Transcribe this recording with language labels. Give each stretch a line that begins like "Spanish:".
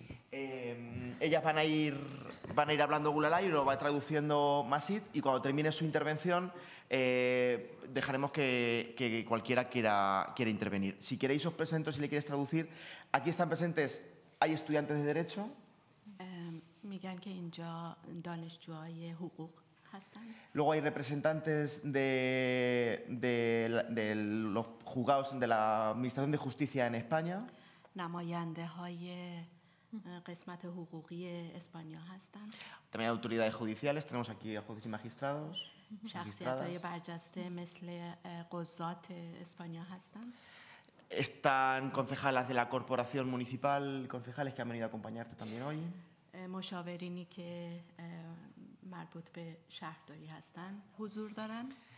Spanish: Ellas van a ir hablando Gulalai, lo va traduciendo Masit y cuando termine su intervención dejaremos que cualquiera quiera intervenir. Si queréis os presento, si le quieres traducir. Aquí están presentes, hay estudiantes de derecho.
Persian: میگن که اینجا دانشجوهای حقوق هستن.
Spanish: Luego hay representantes de los juzgados de la administración de justicia en España.
Persian: نماینده های قسمت حقوقی اسپانیا هستن.
Spanish: También autoridades judiciales, tenemos aquí a jueces y magistrados.
Persian: شخصیت های برجسته مثل قضات اسپانیا هستن.
Spanish: Están concejalas de la corporación municipal, concejales que han venido a acompañarte también hoy.
Persian: مشاورینی که مربوط به شهرداری هستن حضور دارن